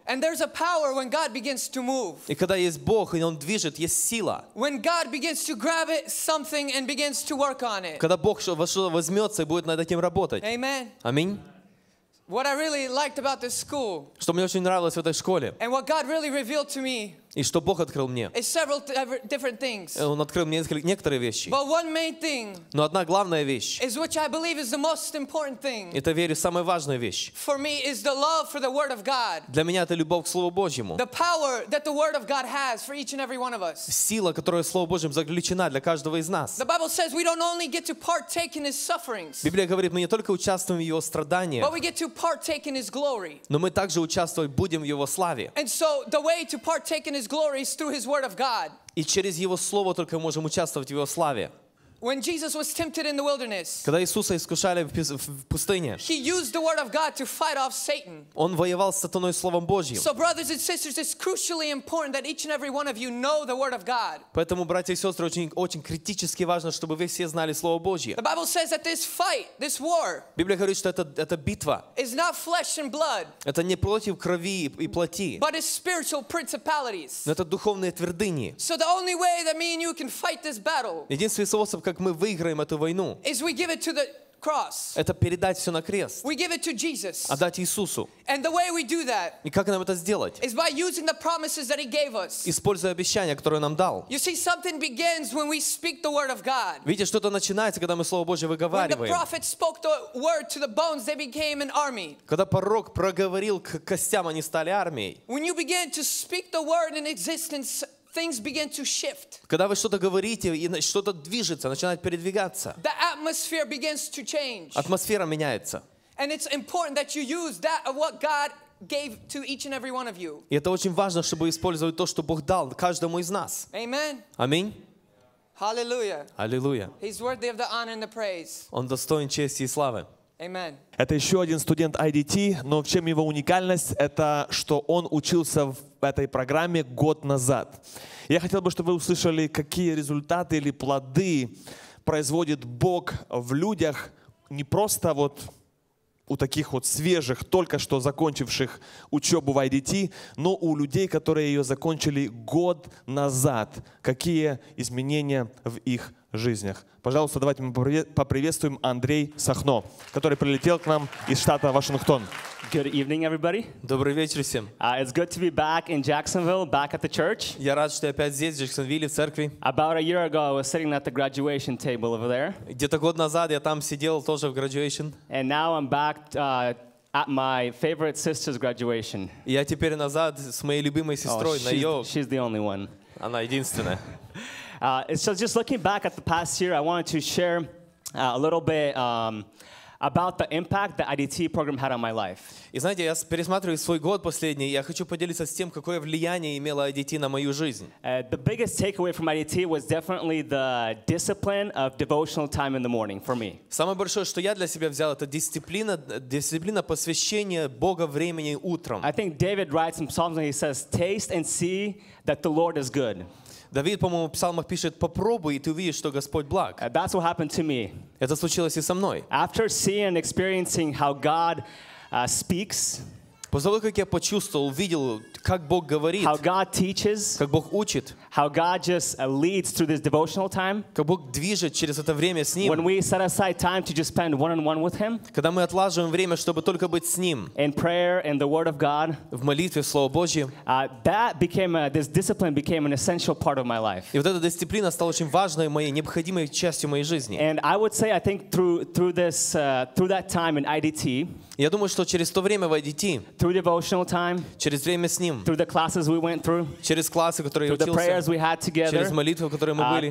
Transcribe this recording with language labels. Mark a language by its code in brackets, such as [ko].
[en] And there's a power when God begins to move. [ru] И когда есть Бог, и Он движет, есть сила. [en] When God begins to grab it something and begins to work on it. [ru] Когда Бог возьмется и будет над этим работать. [en] Amen. [ru] Аминь. [en] What I really liked about this school. [ru] Что мне очень нравилось в этой школе. [en] And what God really revealed to me. [ru] И что Бог открыл мне. [en] Is several different things. [ru] Он открыл мне некоторые вещи. [en] But one main thing. [ru] Но одна главная вещь. [en] Is which I believe is the most important thing. [ru] Это верю самая важная вещь. [en] For me is the love for the word of God. [ru] Для меня это любовь к слову Божьему. [en] The power that the word of God has for each and every one of us. [ru] Сила, которая в слове Божьем заключена для каждого из нас. [en] The Bible says we don't only get to partake in his sufferings. [ru] Библия говорит, мы не только участвуем в его страданиях. [en] But we get to partake in his glory. [ru] Но мы также участвовать будем в его славе. [en] And so the way to partake in his glory is through his word of God. [ru] И через его слово только мы можем участвовать в его славе. [en] When Jesus was tempted in the wilderness. [ru] Когда Иисуса искушали в пустыне. [en] He used the word of God to fight off Satan. [ru] Он воевал с сатаной словом Божьим. [en] So brothers and sisters, it's crucially important that each and every one of you know the word of God. [ru] Поэтому братья и сёстры, очень критически важно, чтобы вы все знали слово Божье. [en] The Bible says that this fight, this war. [ru] Библия говорит, что это битва. [en] Is not flesh and blood. [ru] Это не против крови и плоти. [en] But it's spiritual principalities. [ru] Но это духовные твердыни. [en] So the only way that me and you can fight this battle. [ru] Единственный способ как мы выиграем эту войну. [en] Is we give it to the cross. [ru] Это передать все на крест. [en] We give it to Jesus. [ru] Отдать Иисусу. [en] And the way we do that. [ru] И как нам это сделать? [en] Is by using the promises that he gave us. [ru] Используя обещания, которые нам дал. [en] You see, something begins when we speak the word of God. [ru] Видите, что-то начинается, когда мы слово Божье выговариваем. [en] When the prophet spoke the word to the bones, they became an army. [ru] Когда пророк проговорил к костям, они стали армией. [en] When you begin to speak the word in existence, things begin to shift. [ru] Когда вы что-то говорите и что-то движется, начинает передвигаться. [en] The atmosphere begins to change. [ru] Атмосфера меняется. [en] And it's important that you use that of what God gave to each and every one of you. [ru] И это очень важно, чтобы использовать то, что Бог дал каждому из нас. [en] Amen. [ru] Аминь. [en] Hallelujah. Hallelujah. He's worthy of the honor and the praise. [ru] Он достоин чести и славы. [en] Amen. [ru] Это еще один студент IDT, но в чем его уникальность? Это что он учился в этой программе год назад. Я хотел бы, чтобы вы услышали, какие результаты или плоды производит Бог в людях, не просто вот у таких вот свежих, только что закончивших учебу в IDT, но у людей, которые ее закончили год назад. Какие изменения в их жизнях. Пожалуйста, давайте мы поприветствуем Андрей Сахно, который прилетел к нам из штата Вашингтон. [en] Good evening, everybody. [ru] Добрый вечер всем. [en] It's good to be back in Jacksonville, back at the church. [ru] Я рад, что я опять здесь, в Джексонвилле, в церкви. [en] About a year ago, I was sitting at the graduation table over there. [ru] Где-то год назад я там сидел тоже в graduation. [en] And now I'm back at my favorite sister's graduation. [ru] Я теперь назад с моей любимой сестрой, на ее. [en] She's the only one. [ru] Она единственная. [en] So just looking back at the past year, I wanted to share a little bit about the impact the IDT program had on my life. [ru] И знаете, я пересматриваю свой год последний, я хочу поделиться с тем, какое влияние имело IDT на мою жизнь. [en] The biggest takeaway from IDT was definitely the discipline of devotional time in the morning for me. [ru] Самое большое, что я для себя взял, это дисциплина посвящения Бога времени утром. [en] I think David writes in Psalms and he says, "Taste and see that the Lord is good." [ru] Давид, по-моему, в псалмах пишет: «Попробуй, и ты увидишь, что Господь благ». [en] That's what happened to me. [ru] Это случилось и со мной. [en] After seeing and experiencing how God speaks. [ru] После того, как я почувствовал, увидел, как Бог говорит. [en] How God teaches. [ru] Как Бог учит. [en] how God just leads through this devotional time. [ru] Как Бог движет через это время с ним. [en] When we set aside time to just spend one-on-one with Him. [ru] Когда мы отлаживаем время, чтобы только быть с ним. [en] In prayer and the Word of God. [ru] В молитве, в Слово Божье. [en] This discipline became an essential part of my life. [ru] И вот эта дисциплина стала очень важной моей, необходимой частью моей жизни. [en] And I would say, I think through that time in IDT. [ru] Я думаю, что через то время в IDT, [en] through devotional time, [ru] через время с ним, [en] through the classes we went through, [ru] через классы, которые я учился, [en] through the prayers we had together, [ru] через молитвы, которые мы были,